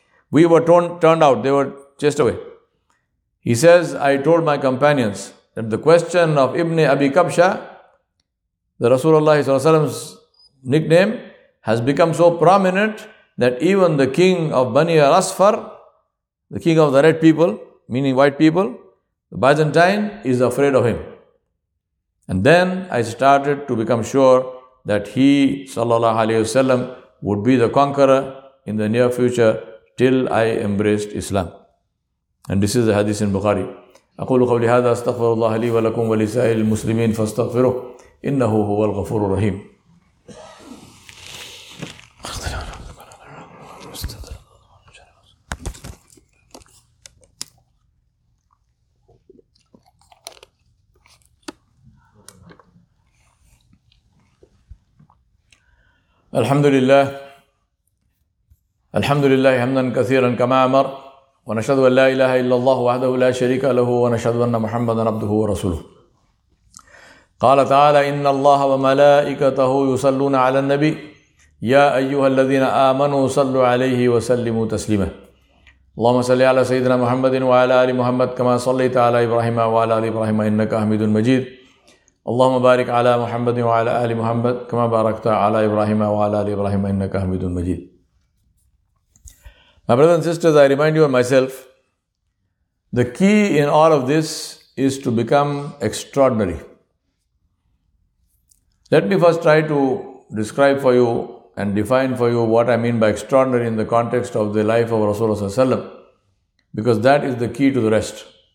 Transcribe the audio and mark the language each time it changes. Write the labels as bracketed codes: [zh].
[en] We were turned out, they were chased away. He says, I told my companions that the question of Ibn Abi Kabsha, the Rasulullah's nickname, has become so prominent that even the king of Bani Rasfar, the king of the red people, meaning white people, the Byzantine, is afraid of him. And then I started to become sure that he, sallallahu alayhi wasallam, would be the conqueror in the near future till I embraced Islam. And this is the hadith in Bukhari. [ar] أقول قولي هذا استغفر الله لي ولكم ولسائر المسلمين فاستغفروه إنه هو الغفور الرحيم. الحمد لله الحمد لله حمدا كثيرا كما أمر ونشهد أن لا إله إلا الله وحده لا شريك له ونشهد أن محمدا عبده ورسوله. قال تعالى إن الله وملائكته يصلون على النبي يا أيها الذين آمنوا صلوا عليه وسلموا تسليما. اللهم صل على سيدنا محمد وعلى آل محمد كما صليت على إبراهيم وعلى آل إبراهيم إنك حميد مجيد. اللهم بارك على محمد وعلى آل محمد كما باركت على إبراهيم وعلى آل إبراهيم إنك حميد مجيد. [en] My brothers and sisters, I remind you of myself, the key in all of this is to become extraordinary. Let me first try to describe for you and define for you what I mean by extraordinary in the context of the life of Rasulullah ﷺ, because that is the key to the rest.